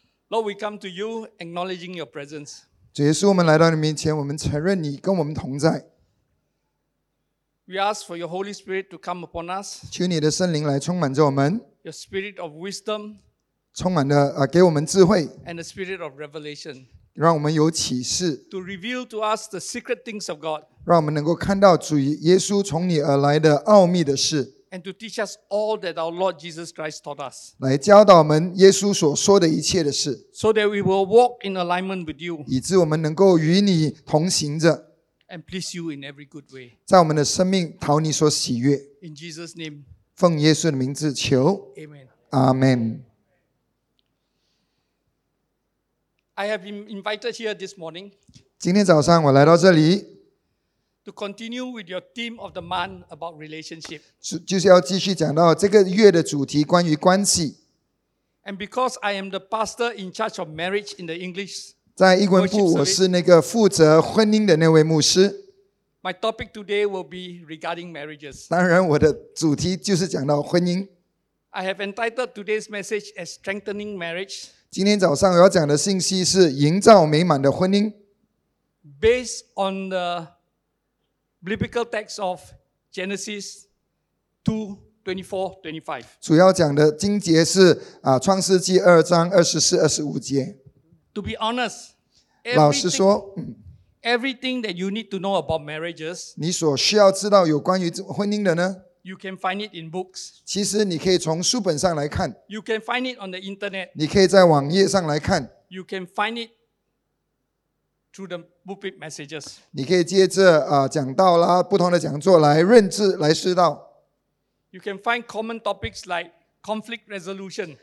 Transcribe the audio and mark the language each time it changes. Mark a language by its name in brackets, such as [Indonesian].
[English] Lord, we come to you, acknowledging your presence. [Chinese] 主耶稣，我们来到你面前，我们承认你跟我们同在。 [English] We ask for your Holy Spirit to come upon us. [Chinese] 求你的圣灵来充满着我们。 [English] Your Spirit of wisdom. [Chinese] 充满着给我们智慧。 [English] And the Spirit of revelation. [Chinese] 让我们有启示。 [English] To reveal to us the secret things of God. [Chinese] 让我们能够看到主耶稣从你而来的奥秘的事。 [English] And to teach us all that our Lord Jesus Christ taught us. [Chinese] 来教导我们耶稣所说的一切的事。 [English] So that we will walk in alignment with you. [Chinese] 以致我们能够与你同行着。 [English] And please you in every good way. [Chinese] 在我们的生命讨你所喜悦。 [English] In Jesus' name. [Chinese] 奉耶稣的名字求。 [English] Amen. Amen. I have been invited here this morning. [Chinese] 今天早上我来到这里。 [English] To continue with your theme of the month about relationship. [Chinese] 就是要继续讲到这个月的主题关于关系。 [English] And because I am the pastor in charge of marriage in the English. [Chinese] 在英文部，我是那个负责婚姻的那位牧师。 [English] My topic today will be regarding marriages. [Chinese] 当然，我的主题就是讲到婚姻。 [English] I have entitled today's message as strengthening marriage. [Chinese] 今天早上我要讲的信息是营造美满的婚姻。 [English] Based on the biblical text of Genesis 2:24-25. [Chinese] 主要讲的经节是创世纪二章二十四、二十五节。 [English] To be honest, [Chinese] 老实说 [English] everything that you need to know about marriages, [Chinese] 你所需要知道有关于婚姻的呢 [English] you can find it in books. [Chinese] 其实你可以从书本上来看 [English] you can find it on the internet. [Chinese] 你可以在网页上来看 [English] you can find it through the pulpit messages. [Chinese] 你可以借着讲道啦不同的讲座来认知来知道 [English] you can find common topics like,Conflict resolution.